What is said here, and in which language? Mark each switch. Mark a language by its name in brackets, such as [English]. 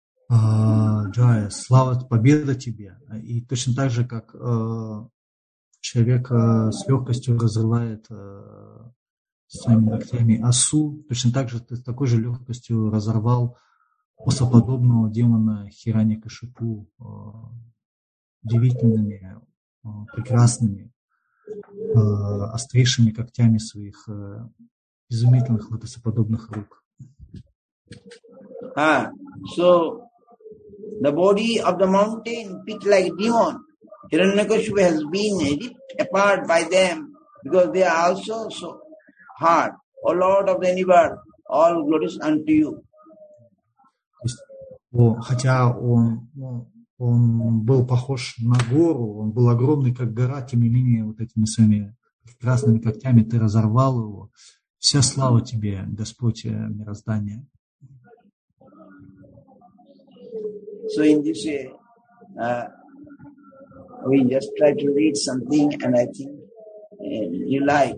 [Russian] Джая, слава, победа тебе. И точно так же, как человек с легкостью разрывает своими ногтями осу, точно так же ты с такой же легкостью разорвал осоподобного демона Хиранья-Кашипу удивительными, прекрасными, острейшими когтями своих изумительных лотосоподобных рук. [English] So the body of the mountain pit like demon Hiranyakashipu has been ripped apart by them because they are also so hard. O Lord of the universe, all glories unto you. [Russian] Хотя он был похож на гору, он был огромный, как гора, тем не менее, вот этими своими красными когтями ты разорвал его. Вся слава тебе, Господь мироздания. [English] So in this way, we just try to read something and I think you like.